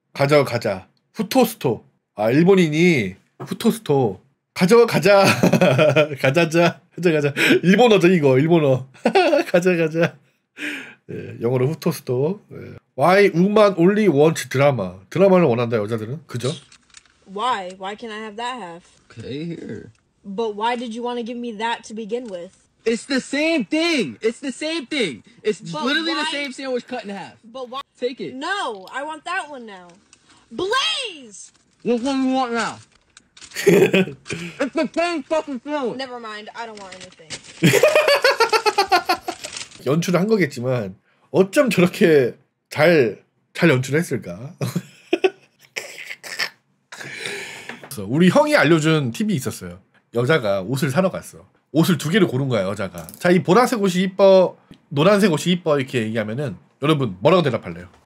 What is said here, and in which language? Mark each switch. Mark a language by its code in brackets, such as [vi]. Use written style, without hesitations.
[ko] 가져와, 가자. 후토스토. 아, 일본인이 후토스토. 가져와, 가자. 가자자. 가자, 가자. 일본어죠, 이거. 일본어. 가자, 가자. 예, 영어로 후토스토. 예. [en] Why woman only want drama? [ko] 드라마를 원한다, 여자들은. 그죠? [en] Why? Why can I have that half? Okay, here. But why did you want to give me that to begin with? It's the same thing. It's the same thing. It's but literally why... the same sandwich cut in half. But why? Take it. No, I want that one now. Blaze! Which one do you want now? It's the same fucking sandwich. Never mind. I don't want anything. [ko] 연출을 한 거겠지만 어쩜 저렇게 잘 연출을 했을까? 우리 형이 알려준 팁이 있었어요. 여자가 옷을 사러 갔어. 옷을 두 개를 고른 거야, 여자가. 자, 이 보라색 옷이 이뻐, 노란색 옷이 이뻐 이렇게 얘기하면은 여러분 뭐라고 대답할래요?